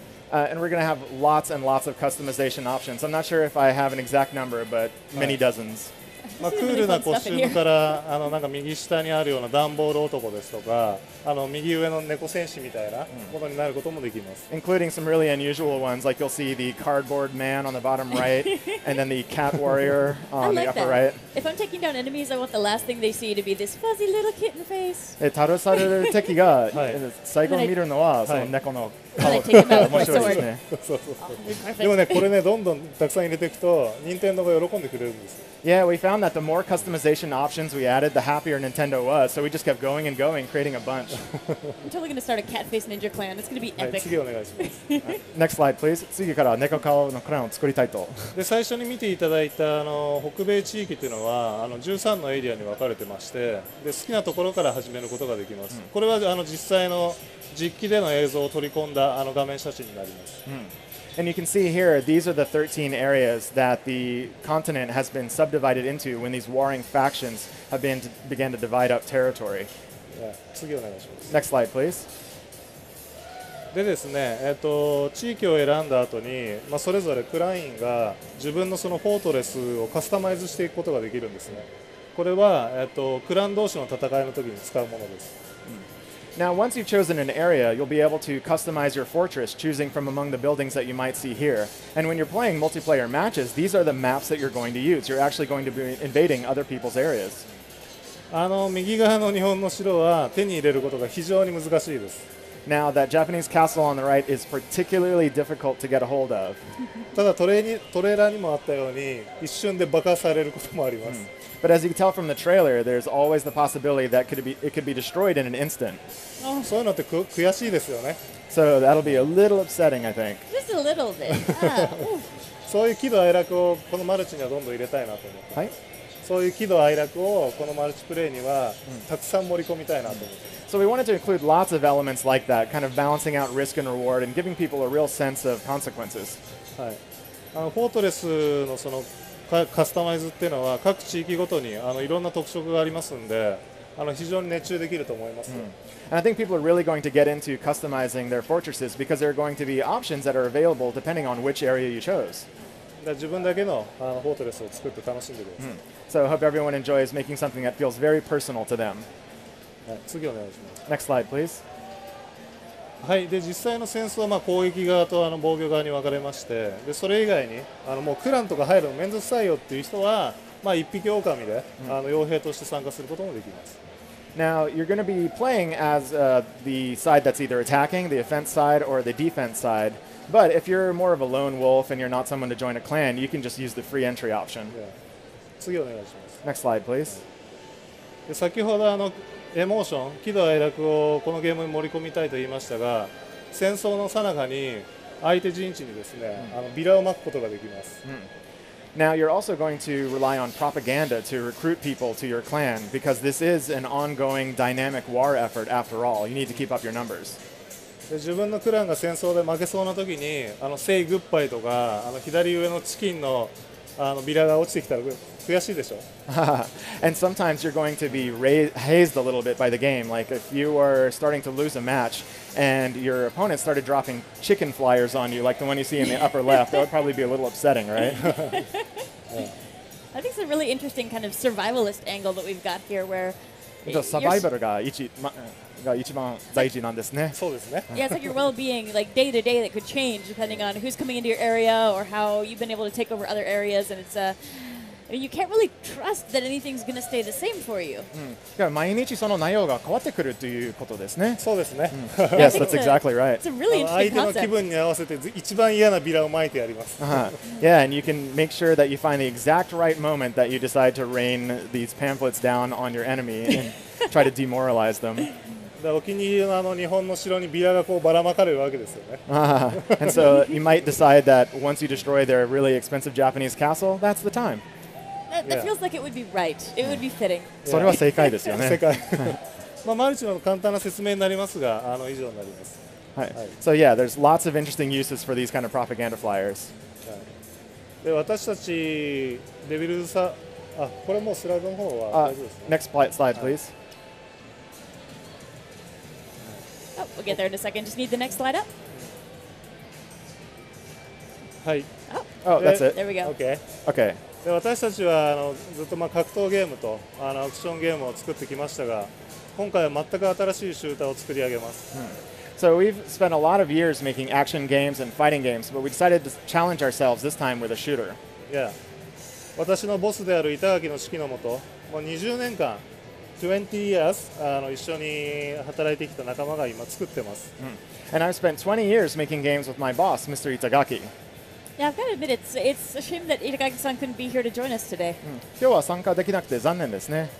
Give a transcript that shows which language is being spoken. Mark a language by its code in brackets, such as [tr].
[en] And we're going to have lots and lots of customization options. I'm not sure if I have an exact number, but many dozens. [ja] まあ、クールなコスチュームからあのなんか右下にあるような段ボール男ですとかあの右上の猫戦士みたいなものになることもできます、 mm. [en] including some really unusual ones like you'll see the cardboard man on the bottom right and then the cat warrior on like the upper、 that. right if I'm taking down enemies I want the last thing they see to be this fuzzy little kitten face [ja] タルサル敵が最後に見るのはその猫の面白いですね。でもね、これね、どんどんたくさん入れていくと、任天堂が喜んでくれるんですよ。 [en] Yeah, we found that the more customization options we added, the happier Nintendo was. So we just kept going and going, creating a bunch. I'm totally going to start a cat face ninja clan. It's going to be epic. [ja] はい、次お願いします。 [en] Next slide, please. [ja] 次から猫顔のクランを作りたいと。で、最初に見ていただいたあの北米地域というのはあの13のエリアに分かれてまして、で、好きなところから始めることができます。 Mm. これはあの実際の実機での映像を取り込んだあの画面写真になります。 Mm. [en] And you can see here, these are the 13 areas that the continent has been subdivided into when these warring factions have been to, began to divide up territory. Yeah. Next slide, please. [ja] でですね、地域を選んだ後に、まあ、それぞれクラインが自分のそのフォートレスをカスタマイズしていくことができるんですね。これは、クラン同士の戦いの時に使うものです。 [en] Now, once you've chosen an area, you'll be able to customize your fortress, choosing from among the buildings that you might see here. And when you're playing multiplayer matches, these are the maps that you're going to use. You're actually going to be invading other people's areas. [ja] あの、右側の日本の城は手に入れることが非常に難しいです。 [en] Now, that Japanese castle on the right is particularly difficult to get a hold of. [ja] ただトレーラーにもあったように、一瞬で爆破されることもあります。 Mm. [en] But as you can tell from the trailer, there's always the possibility that it could be destroyed in an instant. [ja] Oh, そういうのって悔しいですよね。 [en] So that'll be a little upsetting, I think. Just a little bit. [ja] そういう喜怒哀楽をこのマルチにはどんどん入れたいなと思って。はい。そういう喜怒哀楽をこのマルチプレイにはたくさん盛り込みたいなと思って。 [en] So we wanted to include lots of elements like that, kind of balancing out risk and reward and giving people a real sense of consequences. [ja] はい。あのフォートレスのそのカスタマイズっていうのは各地域ごとにあのいろんな特色がありますんで、あの非常に熱中できると思います。 Mm. [en] And I think people are really going to get into customizing their fortresses because there are going to be options that are available depending on which area you chose. [ja] 自分だけのあのフォートレスを作って楽しんでください。 Mm. [en] So I hope everyone enjoys making something that feels very personal to them. [ja] 次お願いします。 [en] Next slide, please. [ja] はい、で実際の戦争はまあ攻撃側とあの防御側に分かれまして、でそれ以外にあのもうクランとか入るの面倒くさいよっていう人は、まあ、一匹狼で、うん、あの傭兵として参加することもできます。 [en] Now you're going to be playing as、the side that's either attacking, the offense side or the defense side, but if you're more of a lone wolf and you're not someone to join a clan, you can just use the free entry option、 [ja] yeah. 次お願いします。 [en] Next slide, please. [ja] で先ほどあのエモーション、喜怒哀楽をこのゲームに盛り込みたいと言いましたが、戦争のさなかに相手陣地にですね、あのビラを撒くことができます。 [en] Now you're also going to rely on propaganda to recruit people to your clan because this is an ongoing dynamic war effort after all. You need to keep up your numbers. [ja] 自分のクランが戦争で負けそうな時に、あの [en] Say goodbye [ja] とか、あの左上のチキンのあのビラが落ちてきたら悔しいでしょ。 [en] And sometimes you're going to be hazed a little bit by the game. Like if you are starting to lose a match and your opponent started dropping chicken flyers on you, like the one you see in the upper left, that would probably be a little upsetting, right? I think it's a really interesting kind of survivalist angle that we've got here, where [ja] survivor が一番大事なんですね。そうですね。 [en] Yeah, it's like your well-being, like day to day, that could change depending on who's coming into your area or how you've been able to take over other areas, and it's a、I mean, you can't really trust that anything's going to stay the same for you. [ja] Yeah, 毎日その内容が変わってくるということですね。そうですね。 [en] Yes, that's exactly right. It's a really interesting concept. [ja] 相手の気分に合わせて一番嫌なビラを撒いてやります。 [en] Yeah, and you can make sure that you find the exact right moment that you decide to rain these pamphlets down on your enemy and try to demoralize them. [ja] お気に入りのあの日本の城にビラがこうばらまかれるわけですよね。 [en] And so you might decide that once you destroy their really expensive Japanese castle, that's the time. That feels like it would be right. It would be fitting. [ja] それは正解ですよね。正解。マルチの簡単な説明になりますが、あの以上になります。 [en] はい。So yeah, there's lots of interesting uses for these kind of propaganda flyers. [ja] で、私たちデビルズさ、あ、これもうスライドの方は大丈夫ですね。 [en] Next slide, please. Oh, we'll get there in a second. Just need the next slide up. [ja] はい。 [en] Oh, that's it. There we go. Okay. Okay. [ja] で私たちはあのずっとまあ格闘ゲームとあのアクションゲームを作ってきましたが今回は全く新しいシューターを作り上げます、 [en] So we've spent a lot of years making action games and fighting games, but we decided to challenge ourselves this time with a shooter. Yeah. [ja] 私のボスである板垣の指揮のもと、もう20年間、 [en] 20 years, [ja] あの一緒に働いてきた仲間が今作ってます。 [en] And I've spent 20 years making games with my boss, Mr. Itagaki. Yeah, I've got to admit, it's a shame that Itagaki-san couldn't be here to join us today. [ja] 今日は参加できなくて残念ですね。